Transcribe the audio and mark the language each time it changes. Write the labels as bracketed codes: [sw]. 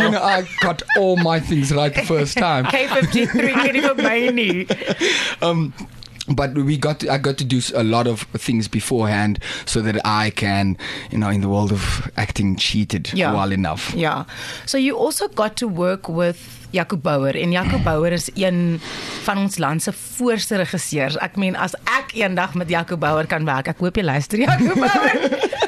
[en] You know, I got all my things right the first time. K53 getting a mini. But we got to, I got to do a lot of things beforehand so that I can, you know, in the world of acting, cheated well enough. Yeah. So you also got to work with Jacob Bauer. [af] En Jacob Bauer is een van ons land se voorste regisseurs. Ek meen, as ek eendag met Jacob Bauer kan werk, ek hoop jy luister, Jacob Bauer.